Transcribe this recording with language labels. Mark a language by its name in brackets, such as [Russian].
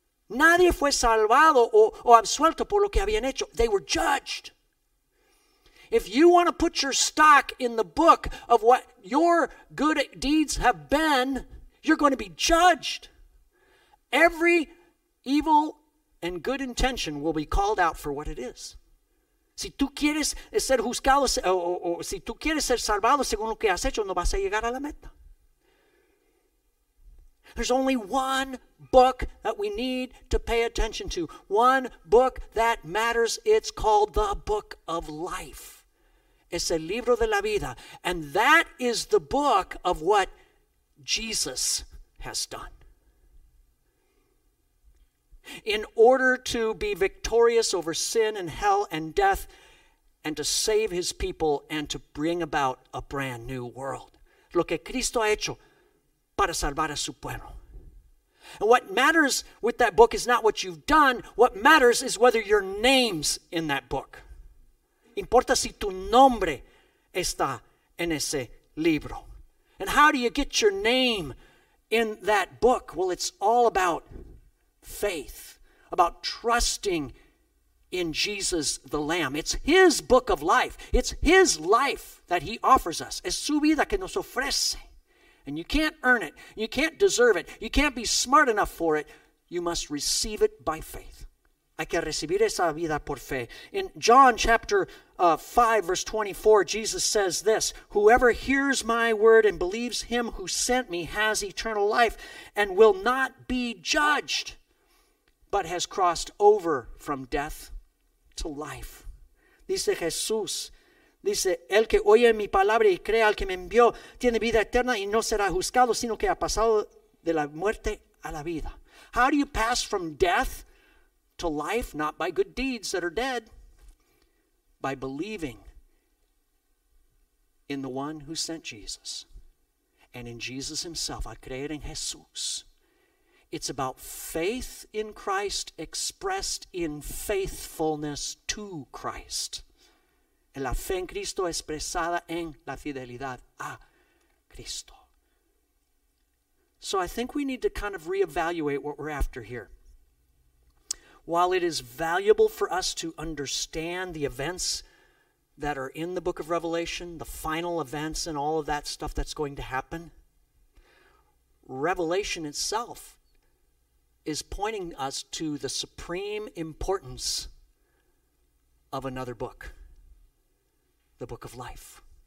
[Spanish] Nadie fue salvado o absuelto por lo que habían hecho. [English] They were judged. If you want to put your stock in the book of what your good deeds have been, you're going to be judged. Every evil and good intention will be called out for what it is. [Spanish] Si tú quieres ser juzgado o si tú quieres ser salvado según lo que has hecho, no vas a llegar a la meta. [English] There's only one book that we need to pay attention to. One book that matters. It's called the Book of Life. [Spanish] Es el libro de la vida. [English] And that is the book of what Jesus has done. In order to be victorious over sin and hell and death, and to save his people and to bring about a brand new world. [Spanish] Lo que Cristo ha hecho para salvar a su pueblo. [English] And what matters with that book is not what you've done. What matters is whether your name's in that book. [Spanish] Importa si tu nombre está en ese libro. [English] And how do you get your name in that book? Well, it's all about faith, about trusting in Jesus the Lamb. It's his book of life. It's his life that he offers us. [Spanish] Es su vida que nos ofrece. [English] And you can't earn it. You can't deserve it. You can't be smart enough for it. You must receive it by faith. [Spanish] Hay que recibir esa vida por fe. [English] In John chapter 5, verse 24, Jesus says this, whoever hears my word and believes him who sent me has eternal life and will not be judged, but has crossed over from death to life. [Spanish] Dice Jesús, dice, el que oye mi palabra y cree al que me envió tiene vida eterna y no será juzgado, sino que ha pasado de la muerte a la vida. [English] How do you pass from death to life? Not by good deeds that are dead. By believing in the one who sent Jesus and in Jesus himself. [Spanish] A creer en Jesús. [English] It's about faith in Christ expressed in faithfulness to Christ. [Spanish] La fe en Cristo expresada en la fidelidad a Cristo. [English] So I think we need to kind of reevaluate what we're after here. While it is valuable for us to understand the events that are in the book of Revelation, the final events and all of that stuff that's going to happen, Revelation itself is pointing us to the supreme importance of another book, the book of life.